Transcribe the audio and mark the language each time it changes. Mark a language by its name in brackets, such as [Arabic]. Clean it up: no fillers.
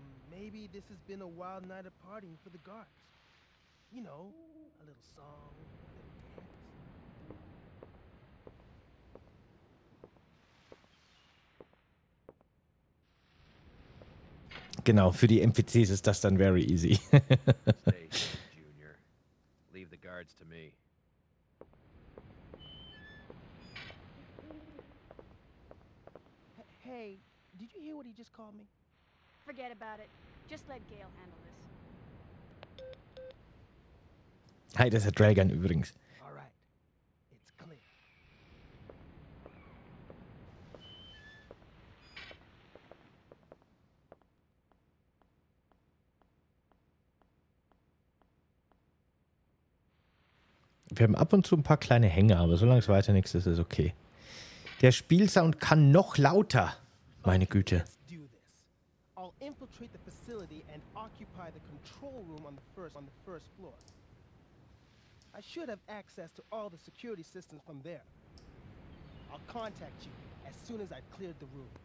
[English] Maybe this has been a wild night of partying for the guards. You know, a little song, a little dance. [German] Genau, für die NPCs ist das dann [English] very easy. Stay, Junior. Leave the guards to me. Hey, did you hear what he just called me? Forget about it. Just let Gail handle this. [German] Hi, das ist der Dragon übrigens. [English] All right. It's clear. [German] Wir haben ab und zu ein paar kleine Hänge, aber solange es weiter nichts ist, ist okay. Der Spielsound kann noch lauter, meine Güte. [English] I'll infiltrate the facility and occupy the control room on the first floor. I should have access to all the security systems from there. I'll contact you as soon as I've cleared the room.